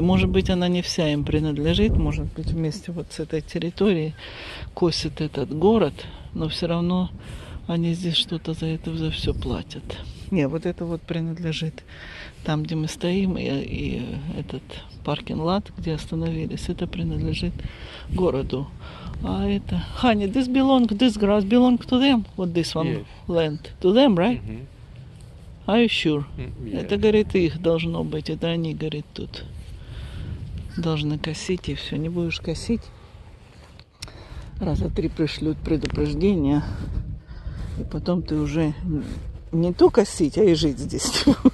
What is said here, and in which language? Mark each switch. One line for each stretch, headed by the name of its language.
Russian: Может быть, она не вся им принадлежит. Может быть, вместе вот с этой территорией косит этот город. Но все равно они здесь что-то за это за все платят. Не, вот это вот принадлежит там, где мы стоим. И этот паркинг-лот, где остановились, это принадлежит городу. А это...
English: Honey, this belong, this grass belong to them. Вот this one yes. Land. To them, right? Mm-hmm. Are you sure? Yeah.
Russian: Это, говорит, их должно быть. Это они, говорит, тут должны косить, и все. Не будешь косить, раза три пришлют предупреждение, и потом ты уже не то косить, а и жить здесь.